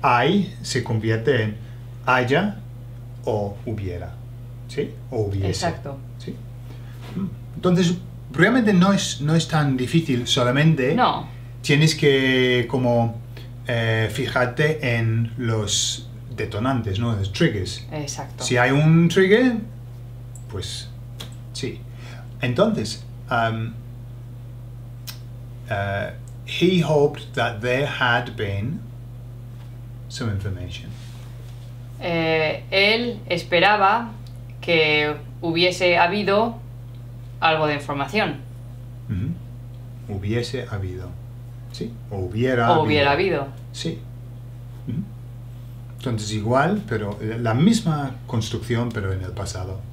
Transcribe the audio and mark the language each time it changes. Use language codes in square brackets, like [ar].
[es] Hay se convierte en haya o hubiera. ¿Sí? O hubiese. Exacto. ¿Sí? Entonces, realmente no es tan difícil, solamente no. Tienes que como fijarte en los detonantes, ¿no? Los triggers. Exacto. Si hay un trigger, pues sí. [en] Entonces, he hoped that there had been some information. [es] Él esperaba que hubiese habido algo de información. Mm-hmm. Hubiese habido. Sí. Hubiera o habido. Hubiera habido. Sí. Mm-hmm. Entonces igual, pero la misma construcción, pero en el pasado.